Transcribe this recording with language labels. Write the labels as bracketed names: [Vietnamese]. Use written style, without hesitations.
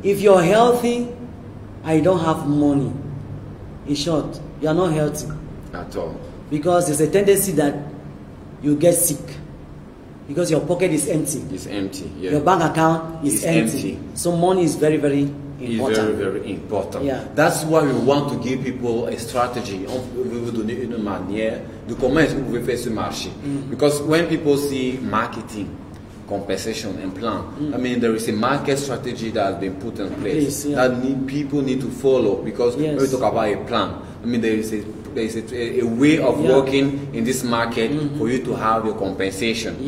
[English] If you're healthy and you don't have money, in short, you are not healthy at all. Because there's a tendency that you get sick because your pocket is empty. It's empty. Yeah. Your bank account is empty. So money is very, very important. It's very, very important. Yeah. That's why we want to give people a strategy. [French] On vous donner une manière de comment vous pouvez faire ce marché. [English] Because when people see marketing, compensation and plan. I mean, there is a market strategy that has been put in place that people need to follow because when we talk about a plan, I mean, there is a way of working in this market for you to have your compensation.